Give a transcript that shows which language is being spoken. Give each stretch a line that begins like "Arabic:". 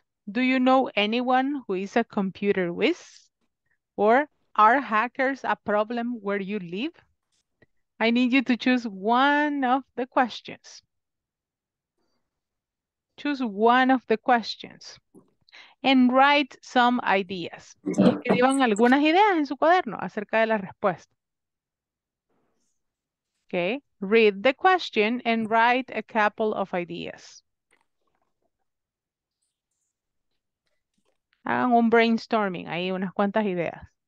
English: Do you know anyone who is a computer whiz? Or are hackers a problem where you live? I need you to choose one of the questions. Choose one of the questions and write some ideas.
Spanish: Y escriban algunas ideas en su cuaderno acerca de la respuesta.
English: Okay, read the question and write a couple of ideas.
Spanish: Hagan un brainstorming, hay unas cuantas ideas.